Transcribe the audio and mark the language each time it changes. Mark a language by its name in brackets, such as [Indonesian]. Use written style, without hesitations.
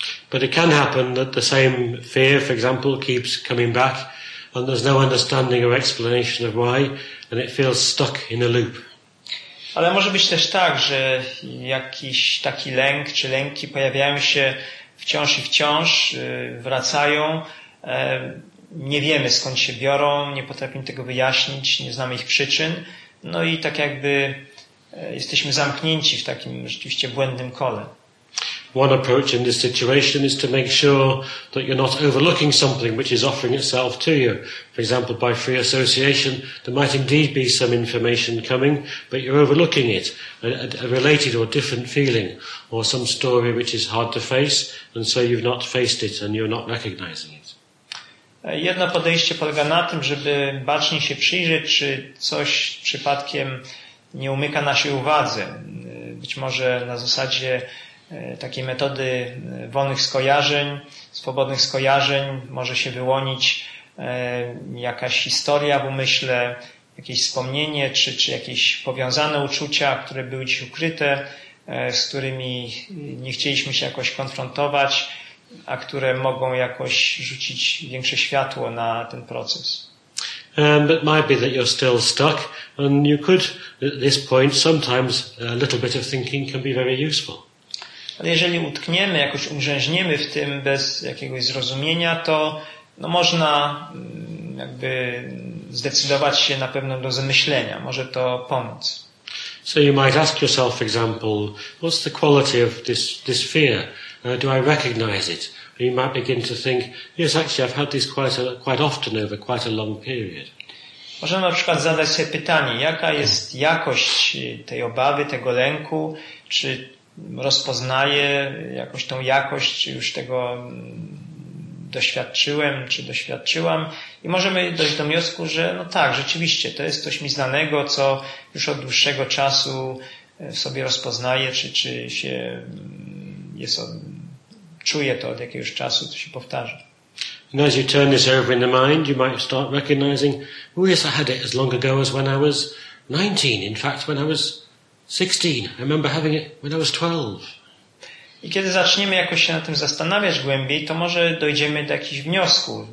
[English] But it can happen that the same fear, for example, keeps coming back. And there's no understanding or explanation of why, and it feels stuck in a loop. [Polish] Ale może być też tak, że jakiś taki lęk czy lęki pojawiają się wciąż i wciąż, wracają. Nie wiemy skąd się biorą, nie potrafimy tego wyjaśnić, nie znamy ich przyczyn. No i tak jakby jesteśmy zamknięci w takim rzeczywiście błędnym kole. [English] One approach in this situation is to make sure that you're not overlooking something which is offering itself to you. For example, by free association, there might indeed be some information coming, but you're overlooking it, a related or different feeling, or some story which is hard to face, and so you've not faced it and you're not recognizing it. [Polish] Jedno podejście polega na tym, żeby bacznie się przyjrzeć, czy coś przypadkiem nie umyka naszej uwadze. Być może na zasadzie takiej metody wolnych skojarzeń, swobodnych skojarzeń może się wyłonić jakaś historia w umyśle, jakieś wspomnienie czy jakieś powiązane uczucia, które były gdzieś ukryte, z którymi nie chcieliśmy się jakoś konfrontować, a które mogą jakoś rzucić większe światło na ten proces. [English] But it might be that you're still stuck and you could, at this point, sometimes a little bit of thinking can be very useful. [Polish] Ale jeżeli utkniemy, jakoś ugrzęźniemy w tym bez jakiegoś zrozumienia, to no można jakby zdecydować się na pewno do zamyślenia. Może to pomóc. [English] So you might ask yourself, for example, what's the quality of this fear? Do I recognize it? Or you might begin to think, yes, actually I've had this quite often over quite a long period. [Polish] Możemy na przykład zadać sobie pytanie, jaka jest jakość tej obawy, tego lęku, czy rozpoznaję, jakoś tą jakość już tego doświadczyłem czy doświadczyłam i możemy dojść do wniosku, że no tak, rzeczywiście, to jest coś mi znanego, co już od dłuższego czasu w sobie rozpoznaję, czy się jest, czuję to od jakiegoś czasu, to się powtarza. [English] And as you turn this over in the mind, you might start recognizing, oh yes, I had it as long ago as when I was 19, in fact, when I was 16. I remember having it when I was 12. [Polish] I kiedy zaczniemy jakoś się na tym zastanawiać głębiej, to może dojdziemy do jakichś wniosków.